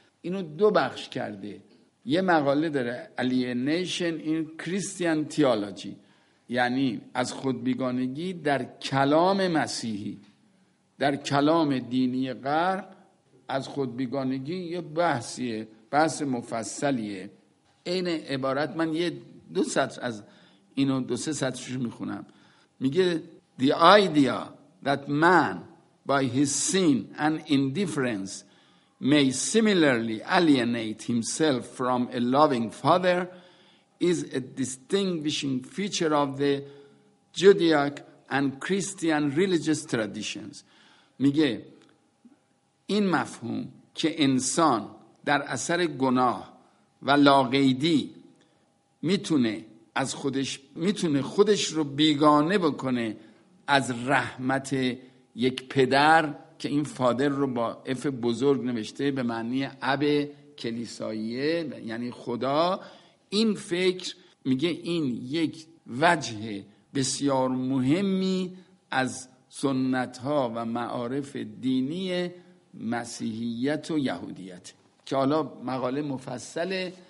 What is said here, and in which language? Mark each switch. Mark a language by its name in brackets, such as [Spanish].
[Persian] اینو دو بخش کرده، یه مقاله داره [English] alienation in Christian theology، [Persian] یعنی از خود بیگانگی در کلام مسیحی، در کلام دینی غرب از خود بیگانگی یه بحثیه، بحث مفصلیه. این عبارت من یه دو سطر از اینو دو سه سطرش میخونم. میگه [English] The idea that man by his sin and indifference may similarly alienate himself from a loving father is a distinguishing feature of the Judaic and Christian religious traditions. [Persian] میگه این مفهوم که انسان در اثر گناه و لاقیدی میتونه از خودش، میتونه خودش رو بیگانه بکنه از رحمت یک پدر، که این فادر رو با اف بزرگ نوشته به معنی اب کلیساییه، یعنی خدا، این فکر، میگه این یک وجه بسیار مهمی از سنت ها و معارف دینی مسیحیت و یهودیت، که حالا مقاله مفصله.